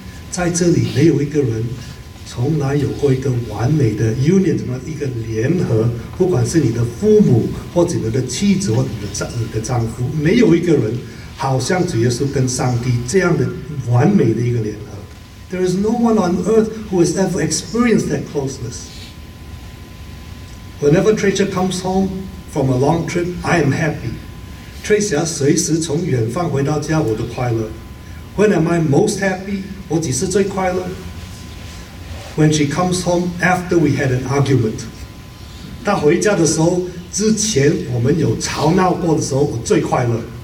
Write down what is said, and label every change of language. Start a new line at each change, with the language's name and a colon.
Chinese: 在这里没有一个人从来有过一个完美的 union， 什么一个联合，不管是你的父母或者你的妻子或者你的丈夫，没有一个人好像主耶稣跟上帝这样的完美的一个联合。
English: There is no one on earth who has ever experienced that closeness. Whenever Tracia comes home from a long trip, I am happy.
Chinese: Tracia 随时从远方回到家，我都快乐。
English: When am I most happy?
Chinese: 我几时最快乐？
English: When she comes home after we had an argument.
Chinese: 她回家的时候，之前我们有吵闹过的时候，我最快乐。